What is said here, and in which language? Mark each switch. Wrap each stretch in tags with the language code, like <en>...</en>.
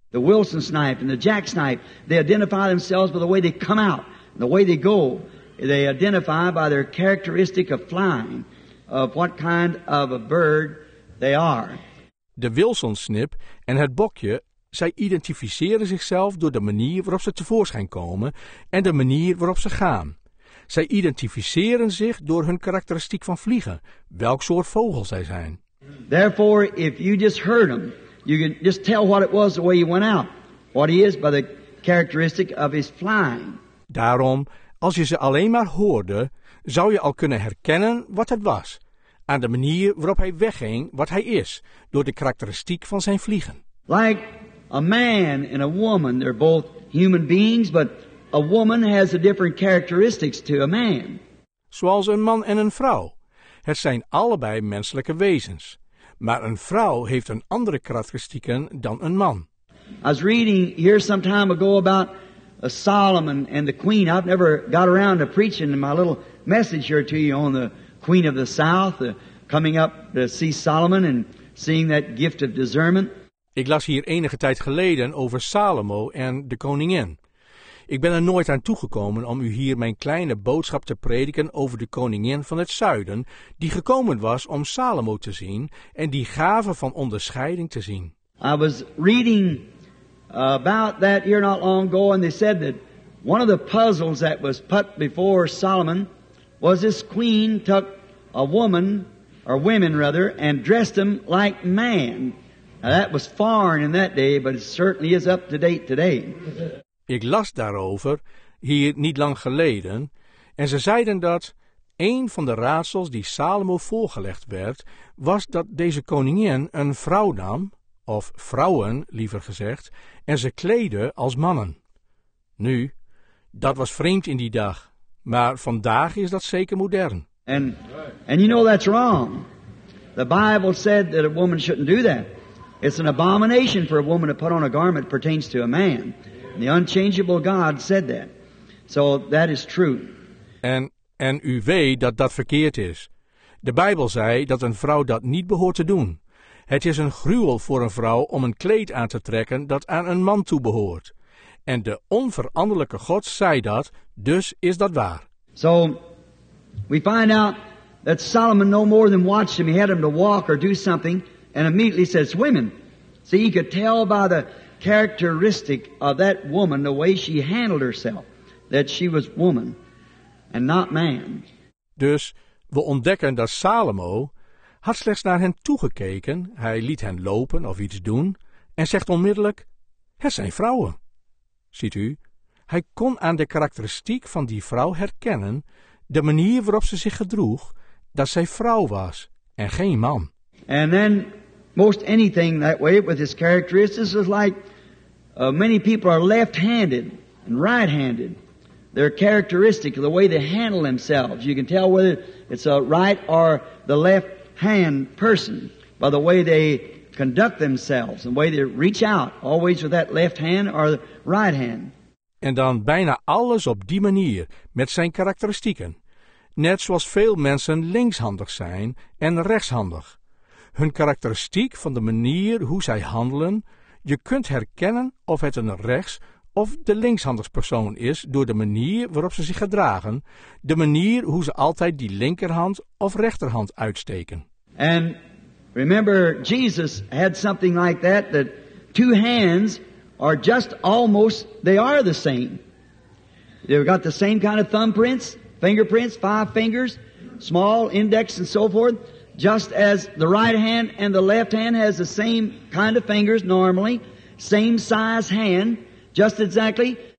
<en>The Wilson snipe and the Jack snipe, they identify themselves by the way they come out, the way they go. They identify by their characteristic of flying, of what kind of a bird they are.</en> <nl>De Wilson snip en het bokje. Zij identificeren zichzelf door de manier waarop ze tevoorschijn komen en de manier waarop ze gaan. Zij identificeren zich door hun karakteristiek van vliegen, welk soort vogel zij zijn.</nl> <en>Therefore, if you just heard him, you can just tell what it was the way he went out, what he is by the characteristic of his flying.</en> <nl>Daarom, als je ze alleen maar hoorde, zou je al kunnen herkennen wat het was, aan de manier waarop hij wegging, wat hij is, door de karakteristiek van zijn vliegen.</nl> <en>Like a man and a woman, they're both human beings, but a woman has a different characteristics to a man.</en> <nl>Zoals een man en een vrouw. Het zijn allebei menselijke wezens. Maar een vrouw heeft een andere karakteristieken dan een man.</nl> <en>I was reading here some time ago about Solomon and the queen. I've never got around to preaching my little message here to you on the queen of the south, coming up to see Solomon and seeing that gift of discernment.</en> <nl>Ik las hier enige tijd geleden over Salomo en de koningin. Ik ben er nooit aan toegekomen om u hier mijn kleine boodschap te prediken over de koningin van het zuiden, die gekomen was om Salomo te zien en die gave van onderscheiding te zien.</nl> <en>I was reading about that here not long ago, and they said that one of the puzzles that was put before Solomon was this queen took a woman, or women rather, and dressed them like man. Now that was foreign in that day, but it certainly is up to date today.</en> <nl>Ik las daarover hier niet lang geleden, en ze zeiden dat een van de raadsels die Salomo voorgelegd werd, was dat deze koningin een vrouw nam, of vrouwen liever gezegd, en ze kleedde als mannen. Nu, dat was vreemd in die dag, maar vandaag is dat zeker modern.</nl> <en>And you know that's wrong. The Bible said that a woman shouldn't do that. It's an abomination for a woman to put on a garment that pertains to a man. And the unchangeable God said that. So that is true.</en> <nl>En u weet dat dat verkeerd is. De Bijbel zei dat een vrouw dat niet behoort te doen. Het is een gruwel voor een vrouw om een kleed aan te trekken dat aan een man toebehoort. En de onveranderlijke God zei dat, dus is dat waar.</nl> <en>So we find out that Solomon no more than watched him. He had him to walk or do something. And immediately says, women. See, he could tell by the characteristic of that woman, the way she handled herself, that she was woman and not man.</en> <nl>Dus we ontdekken dat Salomo had slechts naar hen toegekeken. Hij liet hen lopen of iets doen en zegt onmiddellijk, het zijn vrouwen. Ziet u, hij kon aan de karakteristiek van die vrouw herkennen, de manier waarop ze zich gedroeg, dat zij vrouw was en geen man.</nl> <en>And then most anything that way with his characteristics is like many people are left-handed and right-handed. Their characteristic, the way they handle themselves. You can tell whether it's a right or the left-hand person by the way they conduct themselves, the way they reach out, always with that left hand or the right hand.</en> <nl>En dan bijna alles op die manier, met zijn karakteristieken. Net zoals veel mensen linkshandig zijn en rechtshandig. Hun karakteristiek van de manier hoe zij handelen, Je kunt herkennen of het een rechts- of de linkshanderspersoon is door de manier waarop ze zich gedragen, de manier hoe ze altijd die linkerhand of rechterhand uitsteken.</nl> <en>And remember, Jesus had something like that, that two hands are just almost, they are the same. They've got the same kind of thumbprints, fingerprints, five fingers, small index and so forth, just as the right hand and the left hand has the same kind of fingers normally, same size hand, just exactly.</en>